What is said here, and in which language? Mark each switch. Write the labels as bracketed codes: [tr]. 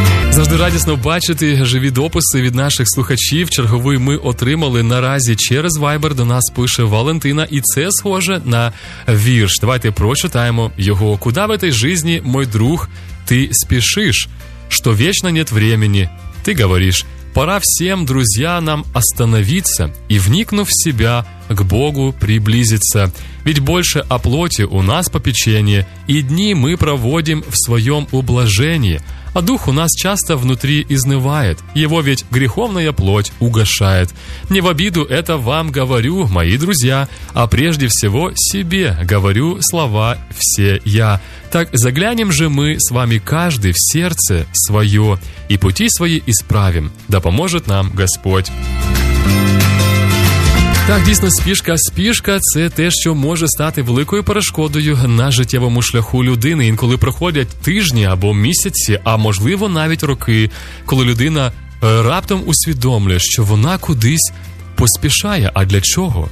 [uk] Завжди радісно бачити живі дописи від наших слухачів. Черговий ми отримали наразі через Viber, до нас пише Валентина, і це схоже на вірш. Давайте прочитаємо його. [ru] «Куда в этой жизни, мой друг, [uk] ти спішиш? [ru] Что вечно нет времени, [uk] ти говориш. [ru] Пора всем, друзья, нам остановиться и, вникнув в себя, к Богу приблизиться. Ведь больше о плоти у нас попечение, и дни мы проводим в своем ублажении, а дух у нас часто внутри изнывает, его ведь греховная плоть угашает. Не в обиду это вам говорю, мои друзья, а прежде всего себе говорю слова все я. Так заглянем же мы с вами каждый в сердце свое и пути свои исправим, да поможет нам Господь». [uk] Так, дійсно, спішка – це те, що може стати великою перешкодою на життєвому шляху людини. Інколи проходять тижні або місяці, а можливо навіть роки, коли людина раптом усвідомлює, що вона кудись поспішає. А для чого?